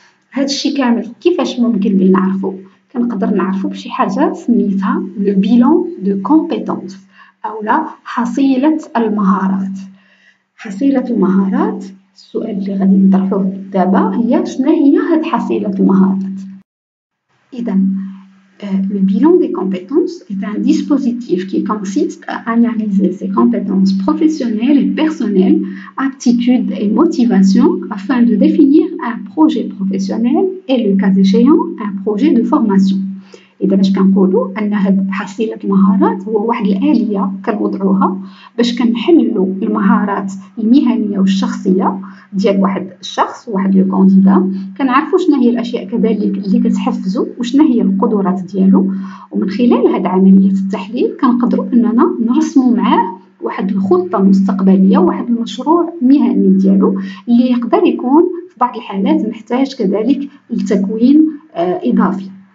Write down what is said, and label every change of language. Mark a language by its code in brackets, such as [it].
[ar] هذا الشيء كامل كيفاش ممكن لي نعرفو؟ كنقدر نعرفو بشي حاجه سميتها لو بيلون دو كومبيتونس اولا حصيله المهارات. حصيله المهارات السؤال اللي غادي نطرحوه دابا هي شنو هي هاد حصيله المهارات. [fr] اذا le bilan des compétences est un dispositif qui consiste à analyser ses compétences professionnelles et personnelles, aptitudes et motivations afin de définir un projet professionnel et, le cas échéant, un projet de formation. Et donc, je peux dire que cette [ar] حصيلة المهارات هو واحد الآلية كنوضعوها باش كنحللوا المهارات المهنية والشخصية ديال واحد الشخص واحد لو كونديدا، كنعرفوا شنو هي الاشياء كذلك اللي كتحفزو وشنو هي القدرات ديالو، ومن خلال هاد عمليه التحليل كنقدروا اننا نرسموا معاه واحد الخطه مستقبليه واحد المشروع مهني ديالو اللي يقدر يكون في بعض الحالات محتاج كذلك لتكوين اضافي.